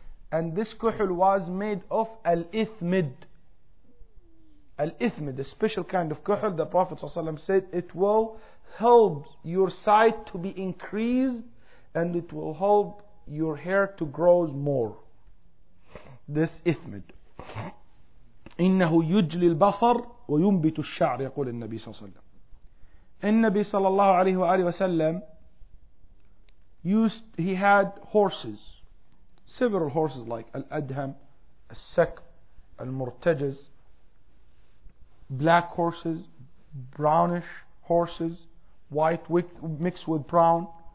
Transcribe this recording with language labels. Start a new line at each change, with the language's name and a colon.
English: And this kuhul was made of al-ithmid. Al-ithmid, a special kind of kuhul. The Prophet sallallahu alayhi wa sallam said, it will help your sight to be increased, and it will help your hair to grow more. This ithmid.
Arabic: إنه يجلي البصر وينبت الشعر يقول النبي صلى الله عليه وسلم. النبي صلى الله عليه وآله وسلم
English: used he had horses, several horses like الأدهم, السكب, المرتجز, black horses, brownish horses, white mixed with brown.